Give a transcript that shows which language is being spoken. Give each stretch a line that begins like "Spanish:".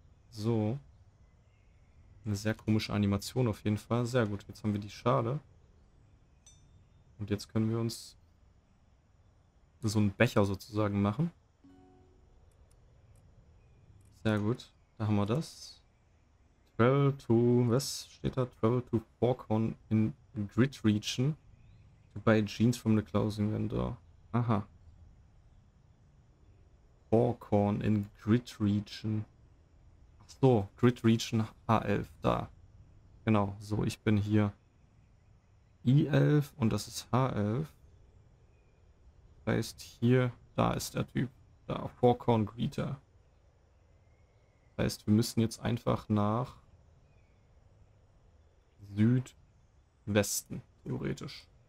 German: So. Eine sehr komische Animation auf jeden Fall. Sehr gut. Jetzt haben wir die Schale. Und jetzt können wir uns so einen Becher sozusagen machen. Sehr gut. Da haben wir das.
English: Travel to,
German: was steht da?
English: Travel to Forkhorn in Grid Region to buy jeans from the clothing vendor.
German: Aha.
English: Forkhorn in Grid Region.
German: Ach so, Grid Region H11, da. Genau, so, ich bin hier I11 und das ist H11. Heißt hier, da ist der Typ, da, Forkhorn Greeter. Heißt, wir müssen jetzt einfach nach Südwesten, theoretisch.